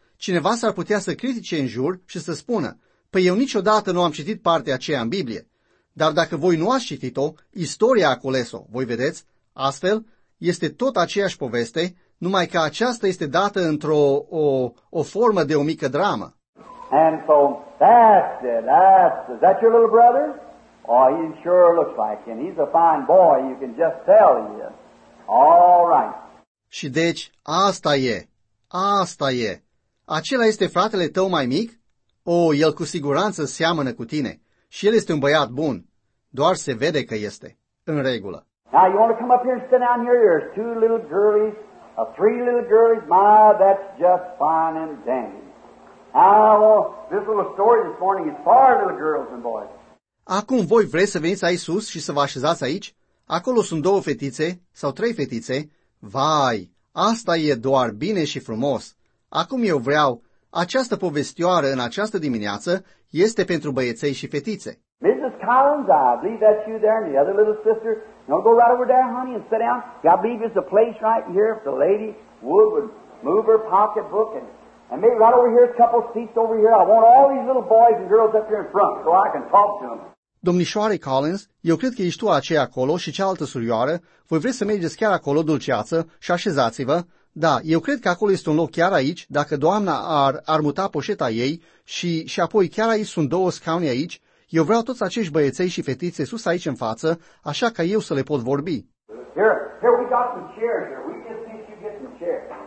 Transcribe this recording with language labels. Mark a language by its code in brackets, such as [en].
[ro] Cineva s-ar putea să critique în jur și să spună, păi eu niciodată nu am citit partea aceea în Biblie. Dar dacă voi nu ați citit-o, istoria a cules-o, voi vedeți? Astfel, este tot aceeași poveste, numai că aceasta este dată într-o o formă de o mică dramă. [en] And so, that's it. Is that your little brother? Oh, he sure looks like him. He's a fine boy, you can just tell he is. All right. [ro] Și deci, asta e. Acela este fratele tău mai mic? O, el cu siguranță seamănă cu tine. Și el este un băiat bun. Doar se vede că este. În regulă. [en] Now you want to come up here and sit down here? There's two little girlies, three little girlies. My, that's just fine and dandy. Now, this little story this morning is four little girls and boys. [ro] Acum voi vreți să veniți aici sus și să vă așezați aici? Acolo sunt două fetițe sau trei fetițe. Vai, asta e doar bine și frumos. Acum eu vreau, această povestioară în această dimineață este pentru băieței și fetițe. [en] Mrs. Collins, I believe that's you there and the other little sister. Now go right over there, honey, and sit down. Yeah, I believe there's a place right here if the lady would move her pocketbook and... And maybe right over here, a couple seats over here. I want all these little boys and girls up here in front so I can talk to them. [ro] Domnișoare Collins, eu cred că ești tu aceea acolo și cealaltă surioară. Voi vreți să mergeți chiar acolo, dulceață, și așezați-vă? Da, eu cred că acolo este un loc chiar aici, dacă doamna ar muta poșeta ei și apoi chiar aici sunt două scaune aici. Eu vreau toți acești băieței și fetițe sus aici în față, așa ca eu să le pot vorbi. [en] Here we got some chairs here. We just need you get some chairs.